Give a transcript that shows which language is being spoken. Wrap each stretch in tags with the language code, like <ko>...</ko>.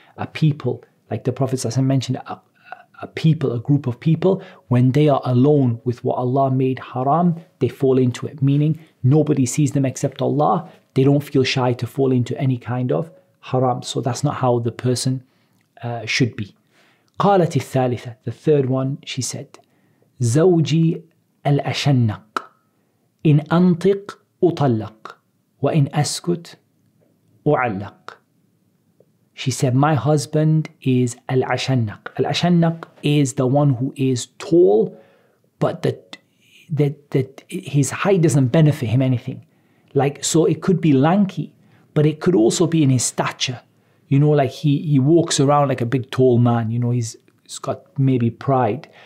<en>A people, like the Prophet ﷺ mentioned, a group of people, when they are alone with what Allah made haram, they fall into it. Meaning, nobody sees them except Allah. They don't feel shy to fall into any kind of haram. So that's not how the person should be.</en> <ar>قالت الثالثة,</ar> <en>the third one, she said,</en> <ar>زوجي الأشنق إن أنطق أطلق وإن أسكت أعلق.</ar> <en>She said, my husband is al-ashannaq. Al-ashannaq is the one who is tall, but that his height doesn't benefit him anything. Like, so it could be lanky, but it could also be in his stature. You know, like he walks around like a big tall man. You know, he's got maybe pride.</en>